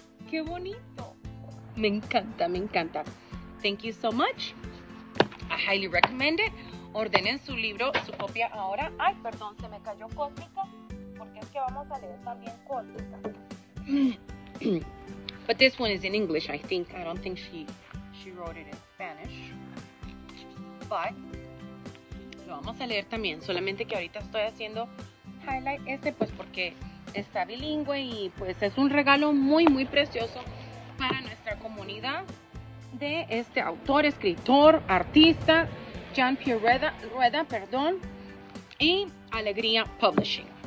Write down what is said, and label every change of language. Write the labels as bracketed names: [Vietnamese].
[Spanish] ¡Qué bonito! Me encanta, me encanta. [English] Thank you so much. I highly recommend it. [Spanish] Ordenen su libro, su copia ahora. Ay, perdón, se me cayó Cósmica. Porque es que vamos a leer también Cósmica. [English] But this one is in English, I think. I don't think she wrote it in Spanish. [Spanish] But lo vamos a leer también. Solamente que ahorita estoy haciendo highlight este, pues porque está bilingüe y pues es un regalo muy, muy precioso para nuestra comunidad. De este autor, escritor, artista, Jean-Pierre Rueda, y Alegría Publishing.